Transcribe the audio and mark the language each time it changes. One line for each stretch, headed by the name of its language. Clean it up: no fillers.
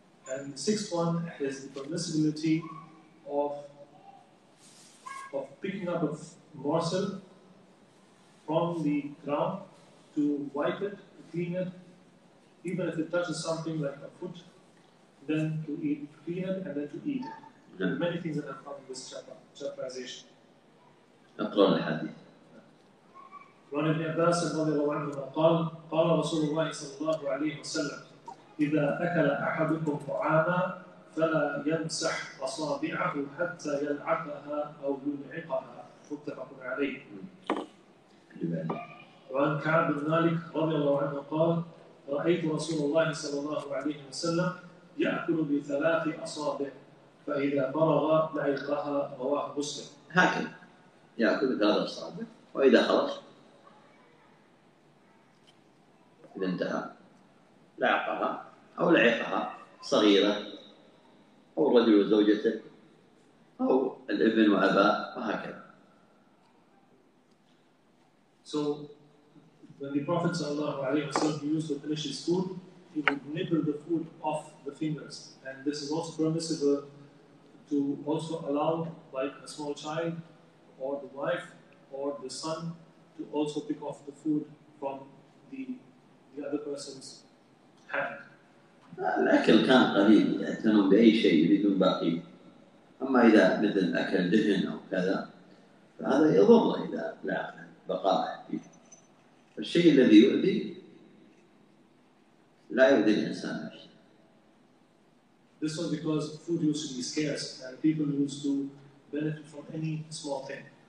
English: And the sixth one is the permissibility of picking up a morsel from the ground to wipe it, to clean it, even if it touches something like a foot, then to eat, clean it, and then to eat it. There are many things that have come in this chapterization.
Arabic: أقرأ الحديث. وعن ابن عباس رضي الله عنهما قال قال رسول الله صلى الله عليه وسلم إذا أكل أحدكم طعاما فلا يمسح أصابعه حتى يلعقها أو يلعقها متفق عليه. وعن كعب بن مالك رضي الله عنه قال رأيت رسول الله صلى الله عليه وسلم يأكل بثلاث أصابع فإذا فرغ لعقها رواه مسلم. هكذا يأكل بثلاث أصابع وإذا خلص إذا انتهى لعقها أو لعقها صغيرة أو الرجل وزوجته أو الابن وأباه وهكذا.
English: So when the Prophet sallallahu alaihi wasallam used to finish his food, he would nibble the food off the fingers, and this is also permissible to also allow like a small child or the wife or the son to also pick off the food from the other person's hand.
Arabic: الأكل كان قليل يعتنون بأي شيء يريدون باقي، أما إذا مثل أكل دهن أو كذا فهذا يضر إذا لا بقاء فيه، فالشيء الذي يؤذي لا يؤذي الإنسان.
English: This was because food used to be scarce and people used to benefit from any small thing.